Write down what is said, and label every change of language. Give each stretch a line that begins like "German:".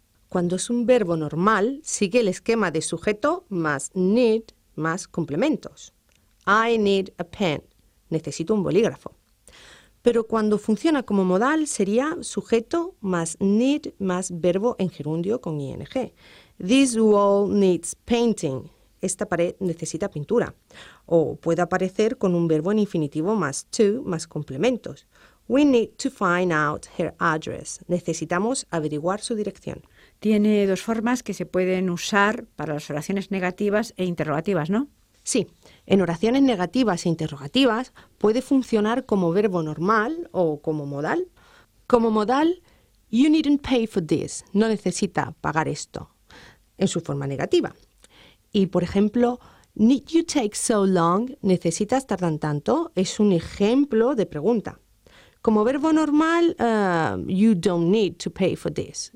Spanish: Cuando es un verbo normal, sigue el esquema de sujeto más need más complementos.
English: I need a pen.
Spanish: Necesito un bolígrafo. Pero cuando funciona como modal, sería sujeto más need más verbo en gerundio con ing.
English: This wall needs painting.
Spanish: Esta pared necesita pintura. O puede aparecer con un verbo en infinitivo más to más complementos.
English: We need to find out her address.
Spanish: Necesitamos averiguar su dirección. Tiene dos formas que se pueden usar para las oraciones negativas e interrogativas, ¿no? Sí. En oraciones negativas e interrogativas puede funcionar como verbo normal o como modal. Como modal,
English: you needn't pay for this.
Spanish: No necesita pagar esto. En su forma negativa. Y, por ejemplo,
English: need you take so long?
Spanish: ¿Necesitas tardar tanto? Es un ejemplo de pregunta. Como verbo normal,
English: you don't need to pay for this.